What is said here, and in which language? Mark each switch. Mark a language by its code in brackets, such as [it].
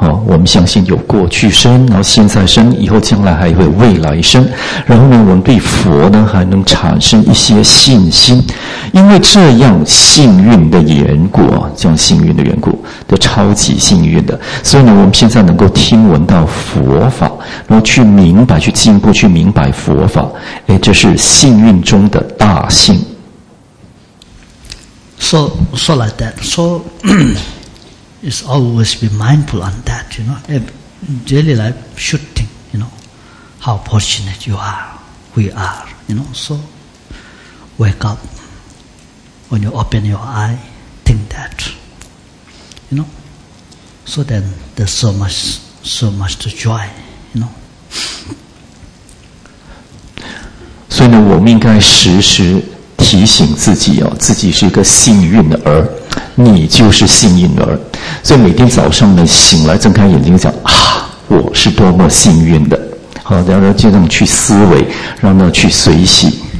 [zh] 我们相信有过去生，然后现在生，以后将来还会未来生，然后呢我们对佛呢还能产生一些信心，因为这样幸运的缘故，这样幸运的缘故，都超级幸运的，所以呢我们现在能够听闻到佛法，然后去明白，去进步，去明白佛法，哎，这是幸运中的大幸。 [en] So like that, so is always be mindful on that, you know. Daily life should think, you know, how fortunate you are, we are, you know. So, wake up, when you open your eye, think that, you know. So then, there's so much to joy, you know. [zh] 所以呢，我们应该时时提醒自己哦，自己是一个幸运的儿，你就是幸运儿，所以每天早上呢醒来睁开眼睛讲啊，我是多么幸运的，好，然后就这么去思维，然后呢去随喜。